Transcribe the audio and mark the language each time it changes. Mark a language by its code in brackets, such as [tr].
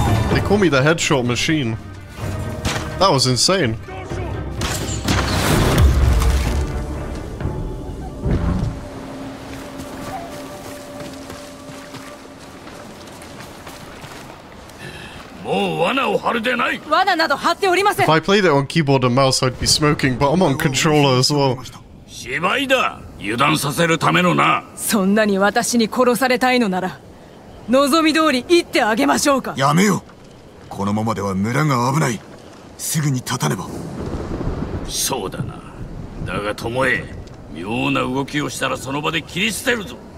[en] They call me the headshot machine. That was insane. [ja] もう罠を張るでない。罠など張っておりません。 [en] If I played it on keyboard and mouse, I'd be smoking, but I'm on controller as well. [ja] 芝居だ。油断させるためのな。そんなに私に殺されたいのなら望み通り行ってあげましょうか。やめよ、このままでは村が危ない。すぐに立たねば。そうだな。だが巴、妙な動きをしたらその場で切り捨てるぞ。